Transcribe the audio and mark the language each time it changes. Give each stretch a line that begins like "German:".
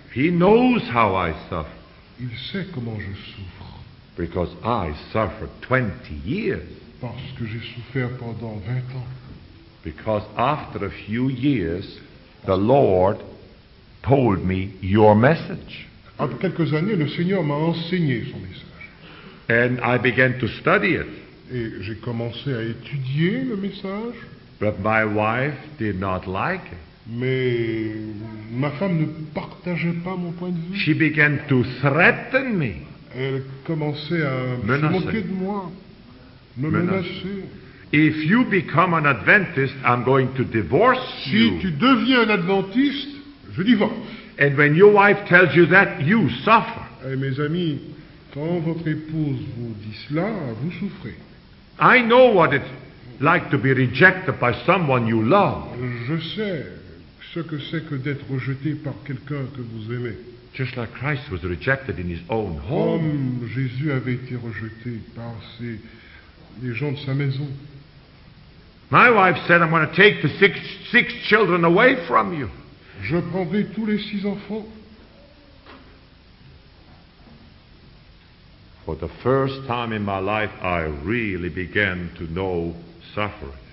English: He knows how I suffer.
French: Il sait comment je souffre.
English: Because I suffered 20 years.
French: Parce que j'ai souffert pendant 20 ans.
English: Because after a few years, the Lord told me your message.
French: Après quelques années, le Seigneur m'a enseigné son message.
English: And I began to study it.
French: Et j'ai commencé à étudier le message.
English: But my wife did not like it.
French: Mais ma femme ne partageait pas mon point de vue.
English: She began to threaten me.
French: Elle commençait à menacer. Se moquer de moi. Me menacer.
English: If you become an Adventist, I'm going to divorce
French: si
English: you.
French: Si tu deviens un adventiste, je divorce.
English: And when your wife tells you that, you suffer.
French: Et mes amis, quand votre épouse vous dit cela, vous souffrez.
English: I know what it's like to be rejected by someone you love.
French: Je sais ce que c'est que d'être rejeté par quelqu'un que vous aimez.
English: Just like Christ was rejected in his own home.
French: Comme Jésus avait été rejeté par ses les gens de sa maison.
English: My wife said, I'm going to take the six children away from you.
French: Je prendrai tous les six enfants.
English: For the first time in my life, I really began to know suffering.